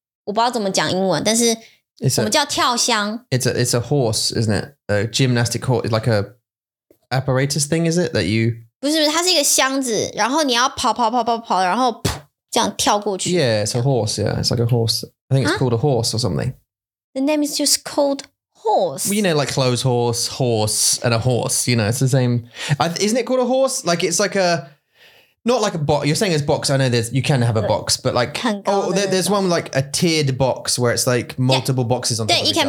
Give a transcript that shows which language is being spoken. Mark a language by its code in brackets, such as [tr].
[zh] 我不知道怎么讲英文，但是我们叫跳箱。 [en] It's a horse, isn't it? A gymnastic horse, like a apparatus thing, is it that you？ [zh] 不是，它是一个箱子，然后你要跑跑跑跑跑，然后这样跳过去。 [en] Yeah, it's a horse. Yeah, it's like a horse. I think it's called a horse or something. The name is just called horse. Well, you know, like clothes horse, horse, and a horse. You know, it's the same. Isn't it called a horse? Like, it's like a, Not like a box. You're saying it's box. I know there's, you can have a box, but like, oh, there's one like a tiered box where it's like multiple boxes on top of each other.